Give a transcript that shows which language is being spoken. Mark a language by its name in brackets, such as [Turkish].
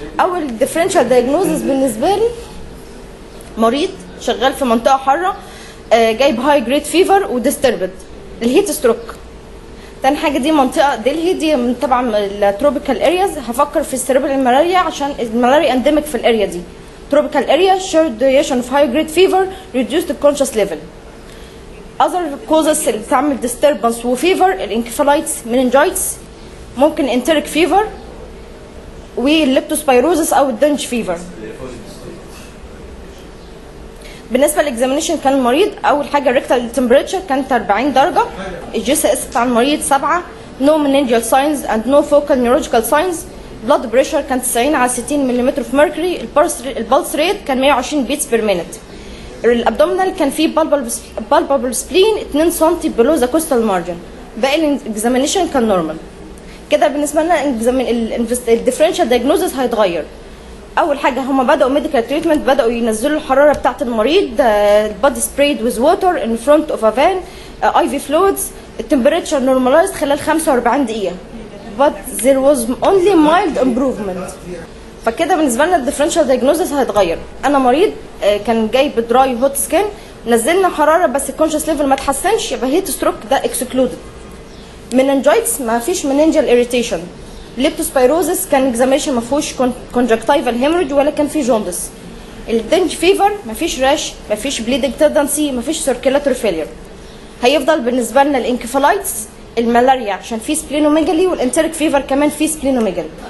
[Arabic] أول differential diagnosis بالنسبة لي مريض شغال في منطقة حارة جاي high grade fever و disturbed الهيت ستروك. تاني حاجة دي منطقة دلهي دي من تبع التروبيكال areas, هفكر في السيريبرال الملاريا عشان الملاريا endemic في الاريا دي. [English] Tropical area short duration of high grade fever reduced the conscious level. Other causes [Arabic] اللي بتعمل [English] disturbance وفيفر الانكفالايتس meningitis ممكن enteric fever والليبتوسبيروزس او الدنج فيفر. [Arabic] بالنسبة للإكزامينيشن كان المريض أول حاجة الريكتال تمبريتشر كانت 40 درجة. [English] الجي C S [Arabic] بتاع المريض [English] 7 no meningeal signs and no focal neurological signs. Blood pressure كان 90 على 60 ملم في مركري. البلس ريت كان 120 بيتس بير مينت. الابدومينال كان فيه بالبابل سبلين 2 سم بلو ذا كوستال مارجن. [Arabic] باقي الاكزامينيشن كان نورمال. كده بالنسبه لنا الديفرنشال دايجنوزس هيتغير. اول حاجه هما بداوا [English] medical treatment, [Arabic] بداوا ينزلوا الحراره بتاعه المريض, [English] البادي spread with water in front of a fan I V fluids. [Arabic] التمبريتشر نورمالايزد خلال 45 دقيقه. [English] But there was only mild improvement. [Arabic] فكده بالنسبة لنا differential diagnosis هيتغير. أنا مريض كان جاي بدراي هوت سكين, نزلنا حرارة بس الكونشس ليفل ما تحسنش, يبقى هيت ستروك ده excluded. [English] Meningitis ما فيش meningeal irritation. [Arabic] Leptospirosis كان examination ما فيهوش conjunctival hemorrhage ولا كان فيه jaundice. [English] الدنج فيفر ما فيش rash, ما فيش bleeding tendency, ما فيش circulatory failure. [Arabic] هيفضل بالنسبة لنا الانكفالايتس الملاريا عشان في سبلينوميجالي, والانتريك فيفر كمان في سبلينوميجالي.